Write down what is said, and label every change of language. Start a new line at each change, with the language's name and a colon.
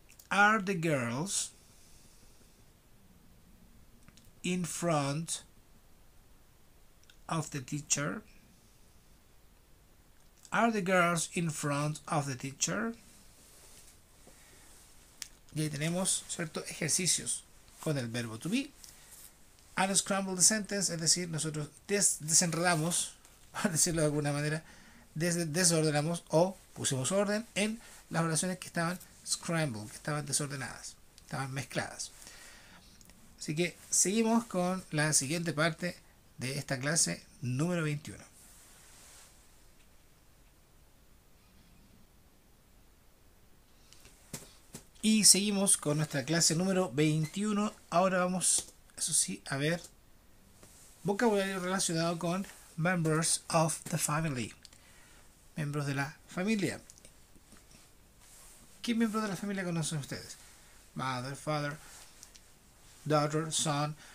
English: Are the girls in front of the teacher? Are the girls in front of the teacher?
Spanish: Y ahí tenemos, ¿cierto?, ejercicios con el verbo to be.
English: Unscramble the sentence,
Spanish: es decir, nosotros desenredamos, por decirlo de alguna manera, desordenamos o pusimos orden en las oraciones que estaban scrambled, que estaban desordenadas, estaban mezcladas. Así que seguimos con la siguiente parte de esta clase número 21. Y seguimos con nuestra clase número 21. Ahora vamos, eso sí, a ver vocabulario relacionado con
English: members of the family.
Spanish: Miembros de la familia. ¿Qué miembros de la familia conocen ustedes?
English: Mother, father, daughter, son.